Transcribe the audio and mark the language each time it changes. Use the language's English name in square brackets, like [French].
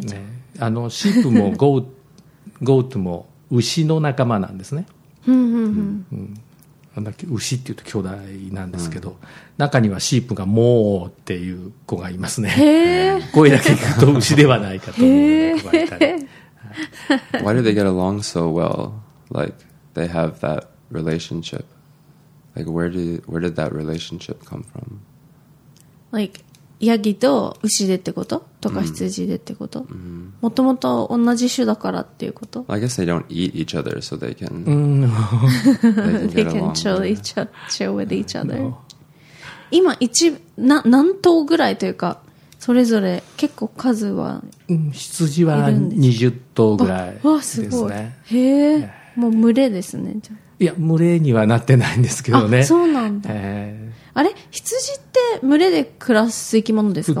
[Japanese] ね、あのシープもゴー、ゴートも牛の仲間なんですね。うん、なんだっけ、牛っていうと兄弟なんですけど、うん、中にはシープがモーっていう子がいますね。へ、声だけ聞くと牛ではないかと思われたり。 [English] Why do they get along so well? Like they have that relationship. Like where did that relationship come from? [Japanese] Like ヤギと牛でってこととか羊でってこと、もともと同じ種だからっていうこと、 [English] well, I guess they don't eat each other so they can they can chill with each other. [Japanese] 今一な何頭ぐらいというかそれぞれ結構数はいるんです、うん、羊は20頭ぐらいですね。わすごい、へえ、もう群れですね。じゃいや群れにはなってないんですけどね。あ、そうなんだ。あれ羊って群れで暮らす生き物ですか。